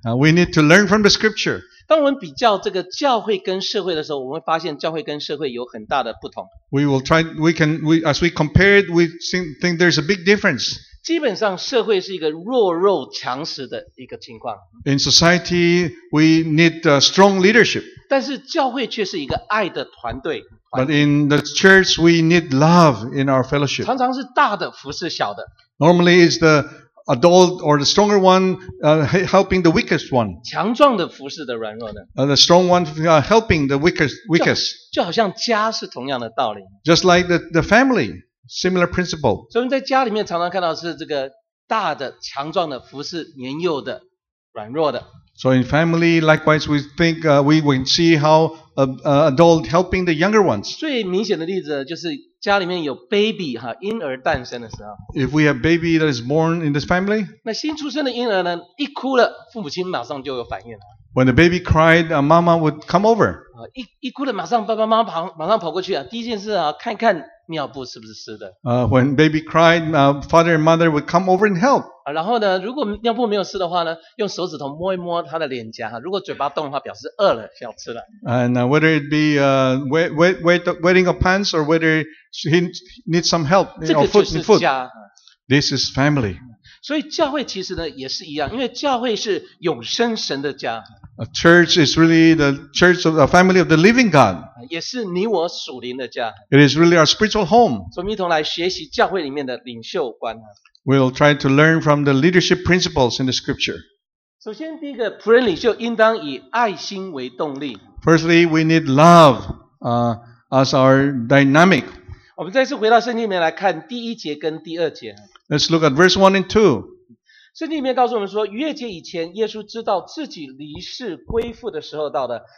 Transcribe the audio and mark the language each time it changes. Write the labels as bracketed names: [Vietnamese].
[English] We need to learn from the scripture. [Chinese] 当我们比较这个教会跟社会的时候，我们会发现教会跟社会有很大的不同。 [English] As we compare it, we think there's a big difference. [Chinese] 基本上社会是一个弱肉强食的一个情况。 [English] In society, we need strong leadership. [Chinese] 但是教会却是一个爱的团队。 [English] But in the church, we need love in our fellowship. [Chinese] 常常是大的服侍小的。 [English] Normally, it's the adult or the stronger one helping the weakest one. [Chinese] 强壮的服侍的软弱的。 [English] The strong one helping the weakest. [Chinese] 就好像家是同样的道理。 [English] Just like the family, similar principle. [Chinese] 所以我们在家里面常常看到是这个大的强壮的服侍年幼的软弱的。 [English] So in family, likewise, we think we will see how adult helping the younger ones. [Chinese] 最明显的例子就是家里面有 baby 哈，婴儿诞生的时候。 [English] If we have baby that is born in this family, [Chinese] 那新出生的婴儿呢，一哭了，父母亲马上就有反应了。 [English] When the baby cried, mama would come over. [Chinese] 一哭了，马上爸爸妈妈马上跑过去啊，第一件事啊，看看尿布是不是湿的。 [English] When baby cried, father and mother would come over and help. [Chinese] 然后呢，如果尿布没有湿的话呢，用手指头摸一摸他的脸颊哈，如果嘴巴动的话，表示饿了，想吃了。 [English] And whether it be wetting of pants or whether he needs some help, food and food. [Chinese] 这个就是家。 [English] This is family. [Chinese] 所以教会其实呢也是一样，因为教会是永生神的家。 [English] A church is really the church of the family of the living God. [Chinese] 也是你我属灵的家。 [English] It is really our spiritual home. [Chinese] 我们一同来学习教会里面的领袖观。 [English] We'll try to learn from the leadership principles in the scripture. [Chinese] 首先第一个，仆人领袖应当以爱心为动力。 [English] Firstly, we need love, as our dynamic. [Chinese] 我们再次回到圣经里面来看第一节跟第二节。 [English] Let's look at verse 1 and 2. [Chinese] 圣经里面告诉我们说，逾越节以前，耶稣知道自己离世归父的时候到了。